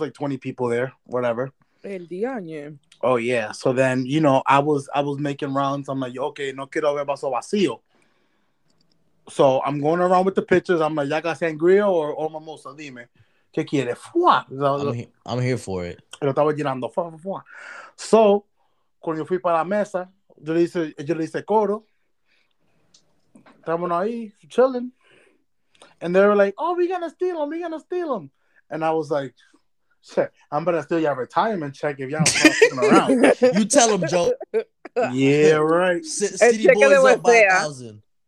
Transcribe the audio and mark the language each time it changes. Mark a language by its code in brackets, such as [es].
[en] It was like 20 people there, whatever. [es] El día, ¿no? [en] Oh, yeah. So then, you know, I was making rounds. I'm like, okay, [es] no quiero ver vaso vacío. [en] So I'm going around with the pictures. I'm like, ya got sangria or mimosa, [es] dime. ¿Qué quiere? Fua. [en] I'm here for it. [es] Lo estaba llenando. Fua. So, cuando yo fui para la mesa, yo le hice coro. Estamos ahí, chilling. [en] And they were like, oh, we're going to steal them. And I was like, shit, I'm going to steal your retirement check if y'all are fucking around. You tell them, Joe. Yeah, right. City boys up by 1,000.